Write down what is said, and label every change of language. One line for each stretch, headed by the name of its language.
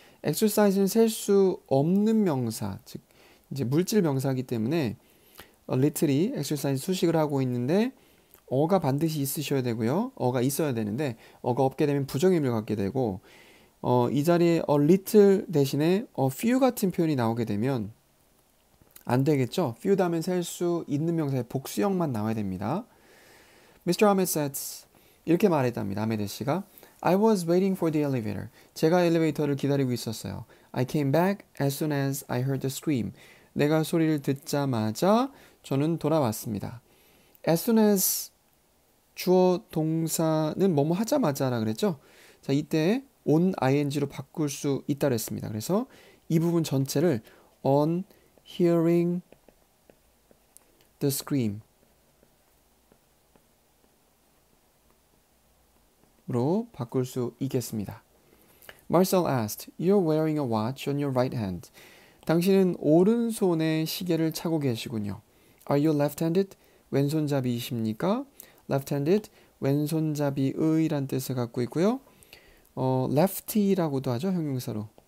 Korean: Exercise는 셀수 없는 명사, 즉 이제 물질 명사이기 때문에 a little이 exercise 수식을 하고 있는데 어가 반드시 있으셔야 되고요. 어가 있어야 되는데 어가 없게 되면 부정의 의미를 갖게 되고 이 자리에 a little 대신에 a few 같은 표현이 나오게 되면 안 되겠죠. few 다음에 셀수 있는 명사의 복수형만 나와야 됩니다.
English: Mr. Ahmed said,
Korean: 이렇게 말했답니다. 아메데 씨가,
English: I was waiting for the elevator.
Korean: 제가 엘리베이터를 기다리고 있었어요.
English: I came back as soon as I heard the scream.
Korean: 내가 소리를 듣자마자 저는 돌아왔습니다. As soon as 주어 동사는 뭐뭐 하자마자라 그랬죠? 자, 이때 on ing로 바꿀 수 있다고 했습니다. 그래서 이 부분 전체를
English: on hearing the scream
Korean: 로 바꿀 수 있겠습니다.
English: Marcel asked, "You're wearing a watch on your right hand."
Korean: 당신은 오른손에 시계를 차고 계시군요.
English: "Are you left-handed?"
Korean: 왼손잡이이십니까? "Left-handed" 왼손잡이의란 뜻을 갖고 있고요. "Lefty"라고도 하죠, 형용사로.